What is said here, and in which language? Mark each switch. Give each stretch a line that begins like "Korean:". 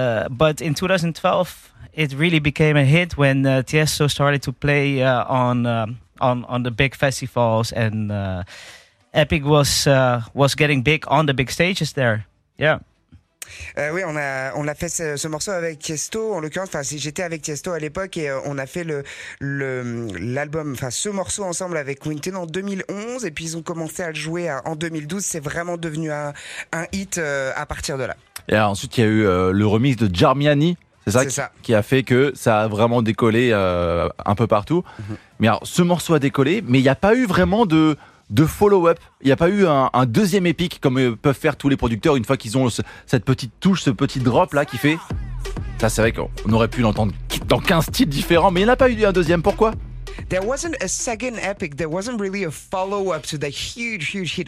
English: But in 2012... It really became a hit when Tiësto started to play on the big festivals, and Epic was getting big on the big stages there. Yeah.
French: Oui, on a fait ce morceau avec Tiësto, en l'occurrence, enfin, j'étais avec Tiësto à l'époque et on a fait l'album, enfin, ce morceau ensemble avec Quintino en 2011 et puis ils ont commencé à le jouer en 2012. C'est vraiment devenu un hit à partir de là. Et alors, ensuite, il y a eu le remix de Jarmiani. C'est ça, c'est ça qui a fait que ça a vraiment décollé un peu partout. Mm-hmm. Mais alors, ce morceau a décollé, mais il n'y a pas eu vraiment de follow-up. Il n'y a pas eu un deuxième épique comme peuvent faire tous les producteurs une fois qu'ils ont cette petite touche, ce petit drop-là qui fait... Ça, c'est vrai qu'on aurait pu l'entendre dans 15 styles différents, mais il n'y en a pas eu un deuxième. Pourquoi ?
English: There wasn't a second epic. There wasn't really a follow-up to the huge, huge hit.